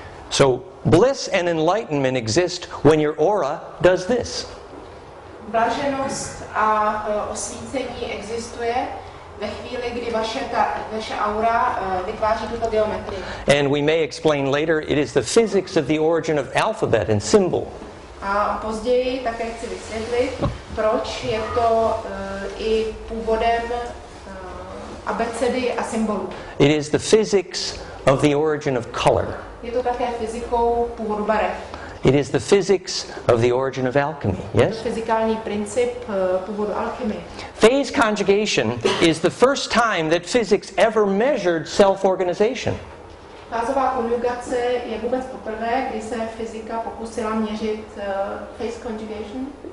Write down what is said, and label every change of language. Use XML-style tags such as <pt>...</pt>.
<en>So bliss and enlightenment exist when your aura does this.</en> <cs>Blaženost a osvícení existuje ve chvíli, kdy vaše aura vytváří tuto geometrii.</cs> <en>And we may explain later, it is the physics of the origin of alphabet and symbol.</en> <cs>A později také chci vysvětlit, proč je to i původem abecedy a symbolů.</cs> <en>It is the physics of the origin of color.</en> <cs>Je to také fyzikou původu barev.</cs> <en>It is the physics of the origin of alchemy, yes?</en> <cs>Fyzikální princip původu alchemy.</cs> <en>Phase conjugation is the first time that physics ever measured self-organization.</en> <cs>Fázová konjugace je vůbec poprvé, kdy se fyzika pokusila měřit phase conjugation.</cs>